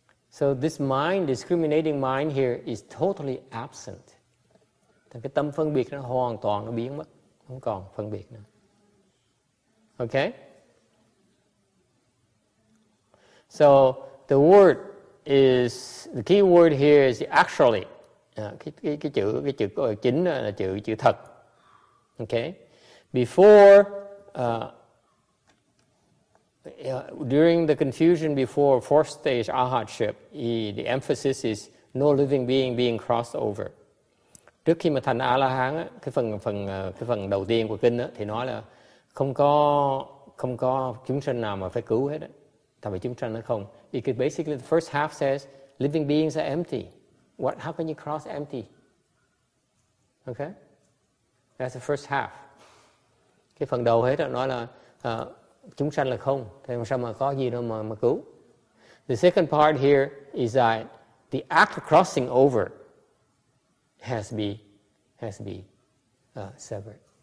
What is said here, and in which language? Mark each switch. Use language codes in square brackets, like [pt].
[en] So this mind, discriminating mind here, is totally absent. [vi] Thành cái tâm phân biệt nó hoàn toàn nó biến mất, không còn phân biệt nữa. [en] Okay? So the word is, the key word here is actually. [vi] Cái chữ chính là chữ thật. [en] Okay? Before, during the confusion before fourth stage arhatship, the emphasis is no living being being crossed over. [vi] Trước khi mà thành A-la-hán, cái phần đầu tiên của kinh thì nói là không có chúng sanh nào mà phải cứu hết. Tại vì chúng sanh nó không. [en] Because basically the first half says living beings are empty. What? How can you cross empty? Okay? That's the first half. [vi] Cái phần đầu hết nói là chúng sanh là không. Thế làm sao mà có gì đâu mà cứu. [en] The second part here is that the act of crossing over has to be severed.